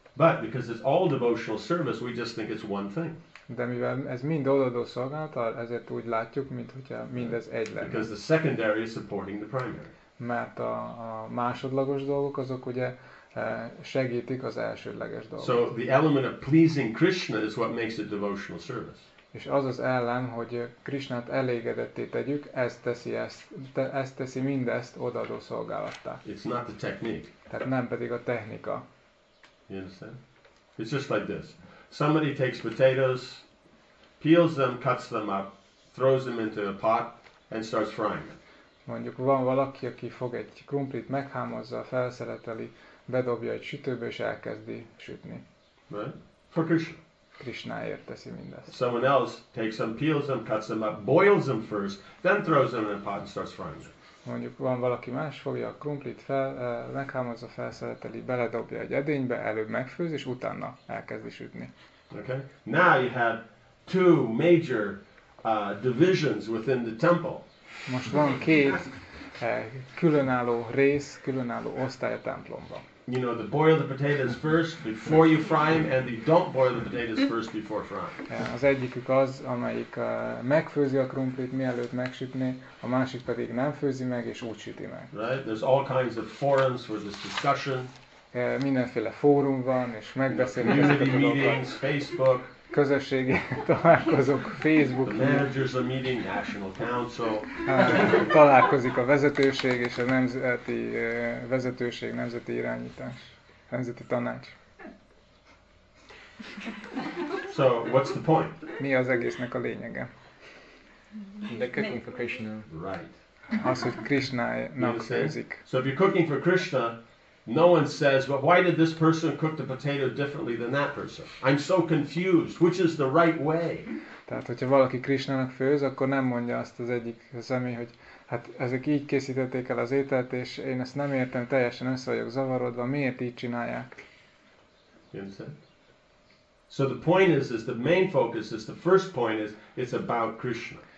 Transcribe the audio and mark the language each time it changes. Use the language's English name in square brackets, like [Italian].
[English] But because it's all devotional service, we just think it's one thing. [Hungarian] De mivel ez mind odaadó szolgálat, ezért úgy látjuk, mint hogyha mindez egy lenne. [English] Because the secondary is supporting the primary. [Hungarian] Mert a másodlagos dolgok azok ugye segítik az elsődleges dolgot. [English] So the element of pleasing Krishna is what makes it devotional service. [Hungarian] És az az elem, hogy Krishnát elégedetté tegyük, ez teszi mindezt odaadó szolgálattá. [English] It's not the technique. [Hungarian] Tehát nem pedig a technika. [English] You understand? It's just like this. Somebody takes potatoes, peels them, cuts them up, throws them into a pot, and starts frying them. [Hungarian] Mondjuk van valaki, aki fog egy krumplit, meghámozza, felszereteli, bedobja egy sütőbe, és elkezdi sütni. [English] Right? For Krishna. [Hungarian] Krishnáért teszi mindezt. [English] Someone else takes them, peels them, cuts them up, boils them first, then throws them in a pot and starts frying them. [Hungarian] Mondjuk van valaki más, fogja a krumplit, meghámozza, felszereteli, beledobja egy edénybe, előbb megfőz, és utána elkezdi sütni. [English] Okay. Now you have two major divisions within the temple. [Hungarian] Most van két különálló rész, különálló osztály a templomban. [English] you know, the boil the potatoes first before you fry them, and the don't boil the potatoes first before frying. [Hungarian] Az egyikük az, amelyik megfőzi a krumplit, mielőtt megsütné, a másik pedig nem főzi meg, és úgy süti meg. [English] Right? There's all kinds of forums for this discussion. [Hungarian] Mindenféle fórum van, és megbeszélik ezeket a dolgokat. [English] Community meetings, Facebook. [Hungarian] Közösségi találkozók, Facebook. [English] The managers are meeting, National Council. [Hungarian] Találkozik a vezetőség és a nemzeti vezetőség, nemzeti irányítás, nemzeti tanács. [English] So, what's the point? [Hungarian] Mi az egésznek a lényege? [English] The cooking for Krishna. Right. [Hungarian] Az, hogy Krishna-nak főzik. [English] So if you're cooking for Krishna, no one says, but why did this person cook the potato differently than that person? I'm so confused. Which is the right way? [Hungarian] Tehát, hogyha valaki Krishnának főz, akkor nem mondja azt az egyik személy, hogy hát ezek így készítették el az ételt, és én ezt nem értem, teljesen össze vagyok zavarodva, miért így csinálják? [English] You understand? So the point is the main focus is, the first point is, it's about Krishna.